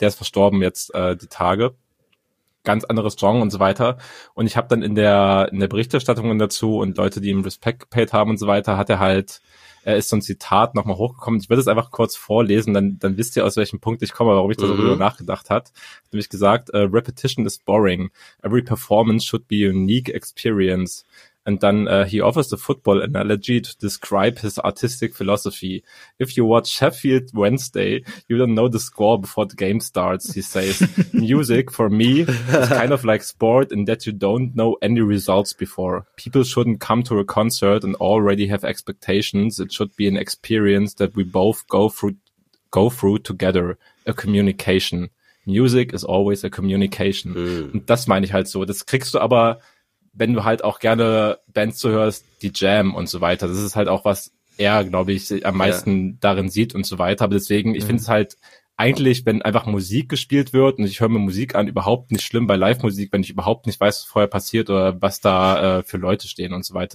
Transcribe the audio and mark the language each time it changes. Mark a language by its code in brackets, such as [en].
[de] Der ist verstorben jetzt die Tage. Ganz anderes Genre und so weiter. Und ich habe dann in der Berichterstattung dazu und Leute, die ihm Respekt paid haben und so weiter, hat er halt, er ist so ein Zitat nochmal hochgekommen. Ich würde es einfach kurz vorlesen, dann wisst ihr, aus welchem Punkt ich komme, warum ich da so drüber nachgedacht hat. Hat nämlich gesagt, [en] repetition is boring. Every performance should be a unique experience. And then he offers the football analogy to describe his artistic philosophy. If you watch Sheffield Wednesday, you don't know the score before the game starts, he says. Music, for me, is kind of like sport in that you don't know any results before. People shouldn't come to a concert and already have expectations. It should be an experience that we both go through together, a communication. Music is always a communication. Mm. [de] Und das meine ich halt so. Das kriegst du aber, wenn du halt auch gerne Bands zuhörst, die Jam und so weiter. Das ist halt auch, was er, glaube ich, am meisten darin sieht und so weiter. Aber deswegen, ich finde es halt eigentlich, wenn einfach Musik gespielt wird und ich höre mir Musik an, überhaupt nicht schlimm bei Live-Musik, wenn ich überhaupt nicht weiß, was vorher passiert oder was da für Leute stehen und so weiter.